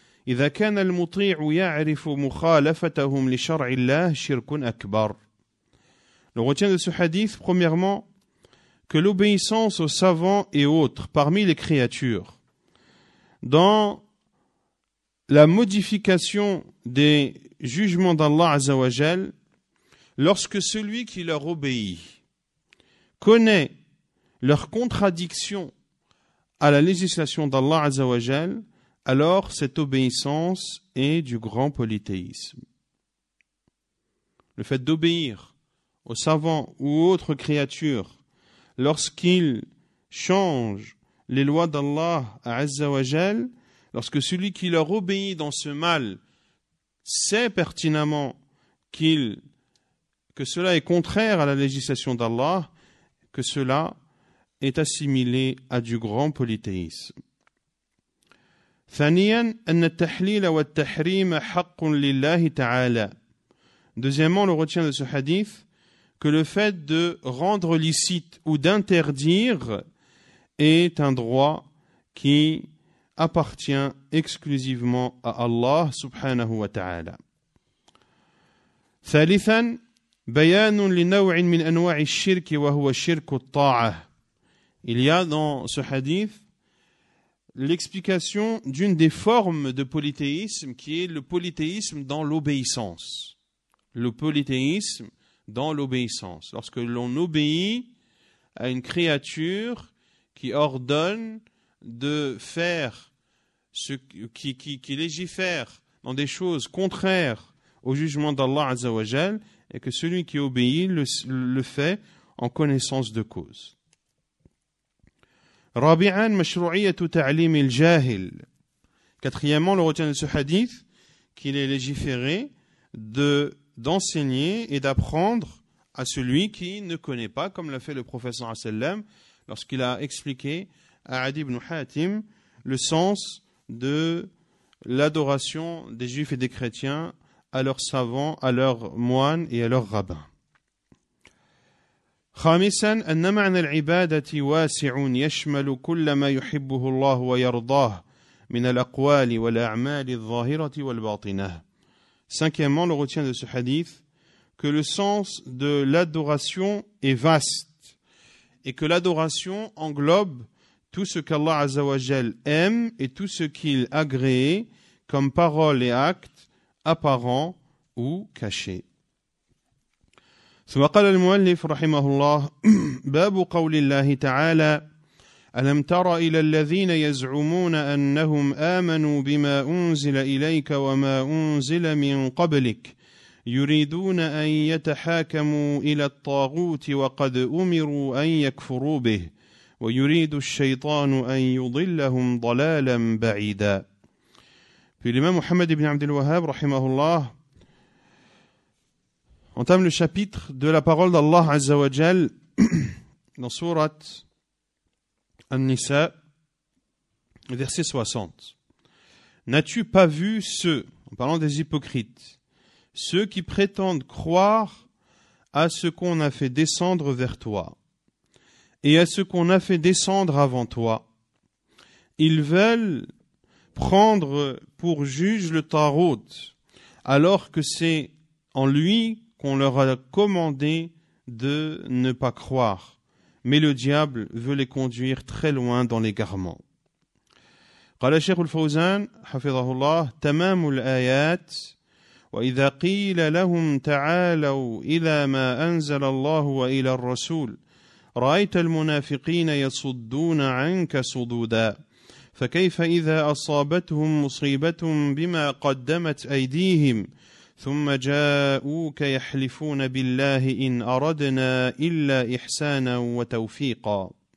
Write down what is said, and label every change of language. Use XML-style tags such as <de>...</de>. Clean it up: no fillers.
<ar>إذا كان المطيع يعرف مخالفتهم لشرع الله شرك أكبر.</ar> <fr>Donc, retiens de ce hadith, premièrement, que l'obéissance aux savants et autres parmi les créatures dans la modification des jugements d'Allah Azzawajal, lorsque celui qui leur obéit connaît leur contradiction à la législation d'Allah Azzawajal, alors cette obéissance est du grand polythéisme. Le fait d'obéir aux savants ou autres créatures lorsqu'ils changent les lois d'Allah Azzawajal, lorsque celui qui leur obéit dans ce mal sait pertinemment que cela est contraire à la législation d'Allah, que cela est assimilé à du grand polythéisme.</fr> <ar>ثانياً أن التحليل والتحريم حق لله تعالى.</ar> <fr>Deuxièmement, on retient de ce hadith que le fait de rendre licite ou d'interdire est un droit qui appartient exclusivement à Allah سبحانه وتعالى.</fr> <ar>ثالثاً بيان لنوع من أنواع الشرك وهو شرك الطاعة.</ar> <fr>Il y a dans ce hadith l'explication d'une des formes de polythéisme qui est le polythéisme dans l'obéissance. Le polythéisme dans l'obéissance. Lorsque l'on obéit à une créature qui ordonne de faire ce qui légifère dans des choses contraires au jugement d'Allah Azzawajal et que celui qui obéit le fait en connaissance de cause.</fr> <ar>رابعاً مشروعية تعليم الجاهل.</ar> <fr>Quatrièmement, on le retient de ce hadith qu'il est légiféré d'enseigner et d'apprendre à celui qui ne connaît pas, comme l'a fait le professeur Asselam lorsqu'il a expliqué à Adi ibn Hatim le sens de l'adoration des juifs et des chrétiens à leurs savants, à leurs moines et à leurs rabbins.</fr> <ar>خامساً أن معنى العبادة واسع يشمل كل ما يحبه الله ويرضاه من الأقوال والأعمال الظاهرة والباطنة.</ar> <fr>Cinquièmement, on retient de ce hadith que le sens de l'adoration est vaste et que l'adoration englobe tout ce qu'Allah Azza wa Jal aime et tout ce qu'il agrée comme paroles et actes apparents ou cachés.</fr> <ar>ثم قال المؤلف رحمه الله باب قول الله تعالى ألم تر إلى الذين يزعمون أنهم آمنوا بما أنزل إليك وما أنزل من قبلك يريدون أن يتحاكموا إلى الطاغوت وقد أمروا أن يكفروا به ويريد الشيطان أن يضلهم ضلالا بعيدا.</ar> <fr>في الإمام محمد بن عبد الوهاب رحمه الله entame le chapitre de la parole d'Allah Azza wa Jal dans Sourate An-Nisa, verset 60. N'as-tu pas vu ceux, en parlant des hypocrites, ceux qui prétendent croire à ce qu'on a fait descendre vers toi et à ce qu'on a fait descendre avant toi? Ils veulent prendre pour juge le Tarot, alors que c'est en lui qu'on leur a commandé de ne pas croire. Mais le diable veut les conduire très loin dans l'égarement.</fr> <ar>قال الشيخ الفوزان حفظه الله تمام الآيات وإذا قيل لهم تعالوا إلى ما أنزل الله وإلى الرسول رأيت المنافقين يصدون عنك صدودا فكيف إذا أصابتهم مصيبة بما قدمت أيديهم ثم جاءوك يحلفون بالله إن أردنا إلا إحسانا وتوفيقا.</ar>